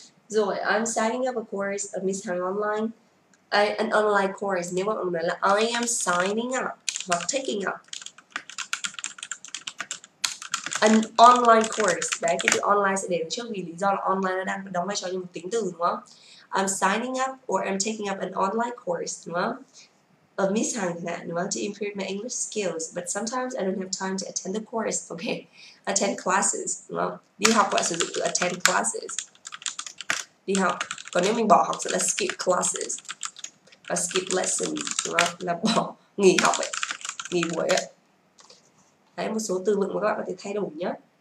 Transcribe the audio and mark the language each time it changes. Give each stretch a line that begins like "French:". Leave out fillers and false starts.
English: Rồi, I'm signing up a course of Miss Hằng online. An online course.
Vietnamese: Nếu mà mình là
English: I am signing up
Vietnamese: hoặc
English: taking up an online course.
Vietnamese: Đấy, cái từ online sẽ để trước vì lý do là online nó đang đóng vai trò như một tính từ, đúng không?
English: I'm signing up or I'm taking up an online course,
Vietnamese: đúng không?
English: Of Miss Hằng,
Vietnamese: đúng không?
English: To improve my English skills, but sometimes I don't have time to attend the course. Okay, attend classes,
Vietnamese: đúng không? Đi học và sử dụng từ
English: attend classes.
Vietnamese: Đi học. Còn nếu mình bỏ học sẽ là
English: skip classes
Vietnamese: và
English: skip lessons,
Vietnamese: đúng không? Là bỏ, nghỉ học ấy, nghỉ buổi ấy. Đấy, một số từ vựng mà các bạn có thể thay đổi nhé.